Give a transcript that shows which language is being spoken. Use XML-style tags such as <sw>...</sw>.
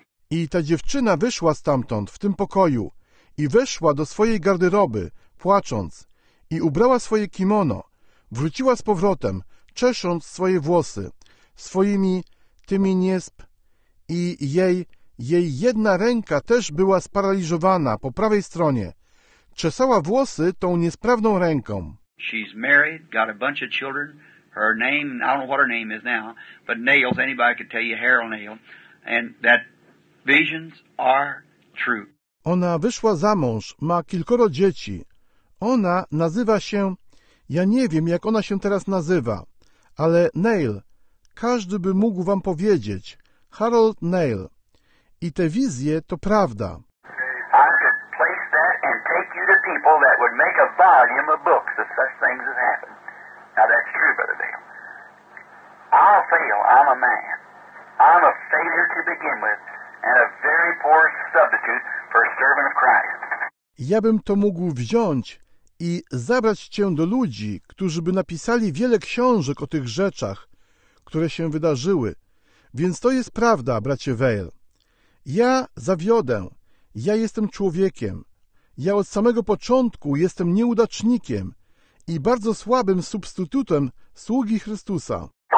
<pl>I ta dziewczyna wyszła stamtąd, w tym pokoju, i weszła do swojej garderoby, płacząc, i ubrała swoje kimono. Wróciła z powrotem, czesząc swoje włosy, swoimi tymi niesp, i jej jedna ręka też była sparaliżowana po prawej stronie. Czesała włosy tą niesprawną ręką.</pl> <en>She's married, got a bunch of children. Her name, I don't know what her name is now, but Nails, anybody could tell you, Harold Nail, and that visions are true.</en> <pl>Ona wyszła za mąż, ma kilkoro dzieci. Ona nazywa się, ja nie wiem, jak ona się teraz nazywa, ale Nail, każdy by mógł wam powiedzieć, Harold Nail. I te wizje to prawda.</pl> <en>I could place that and take you to people that would make a volume of books if such things had happened. Now that's true, Brother Dale. I'll fail. I'm a man. I'm a failure to begin with and a very poor substitute for a servant of Christ.</en> <pl>Ja bym to mógł wziąć i zabrać cię do ludzi, którzy by napisali wiele książek o tych rzeczach, które się wydarzyły. Więc to jest prawda, bracie Vale. Ja zawiodę. Ja jestem człowiekiem. Ja od samego początku jestem nieudacznikiem i bardzo słabym substytutem sługi Chrystusa.</pl>